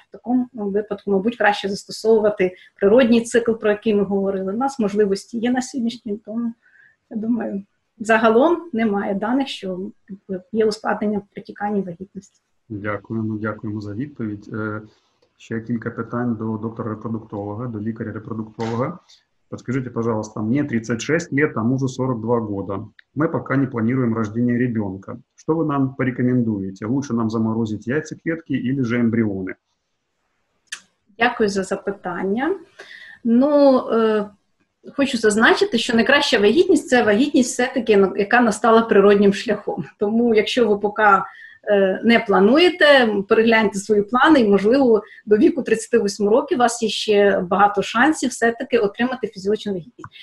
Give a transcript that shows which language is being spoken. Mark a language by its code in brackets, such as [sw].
[uk] В такому випадку, мабуть, краще застосовувати природній цикл, про який ми говорили. У нас можливості є на сьогоднішній день, тому, я думаю, загалом немає даних, що є ускладнення в притіканні вагітності. Дякуємо, дякуємо за відповідь. Ще кілька питань до доктора-репродуктолога, до лікаря-репродуктолога. [ru] Подскажите, пожалуйста, мне 36 лет, а мужу 42 года. Мы пока не планируем рождение ребенка. Что вы нам порекомендуете? Лучше нам заморозить яйцеклетки или же эмбрионы? [uk] Дякую за запитання. Ну, хочу зазначити, що найкраща вагітність – це вагітність все-таки, яка настала природнім шляхом. Тому, якщо ви поки не плануєте, перегляньте свої плани, і, можливо, до віку 38 років у вас є ще багато шансів все-таки отримати фізіологічну вагітність.